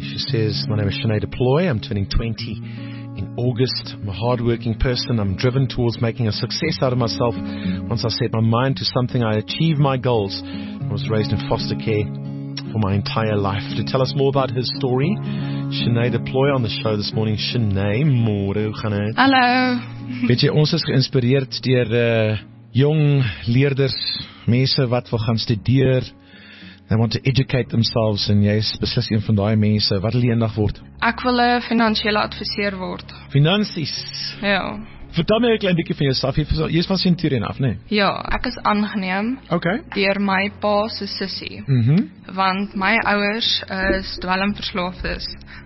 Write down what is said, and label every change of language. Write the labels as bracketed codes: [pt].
[en] She says, my name is Shanae DePloy. I'm turning 20 in August. I'm a hardworking person. I'm driven towards making a success out of myself. Once I set my mind to something, I achieve my goals. I was raised in foster care for my entire life. To tell us more about her story, Shanae DePloy on the show this morning. Shanae, more, Shanae. Hello. [af] Weet jy, ons is geïnspireerd deur jong leerders, mense wat wil gaan studeer. [en] They want to educate themselves [af] en jy is beslis een van daai mense. Wat wil jy eendag word? Ek wil 'n finansiële adviseur word. Finansies? Ja. Vertel my 'n klein bietjie van jouself. Jy is van Centurion af, nee? Ja, ek is aangeneem deur my pa se sussie. Want my ouers is dwelmverslaafdes.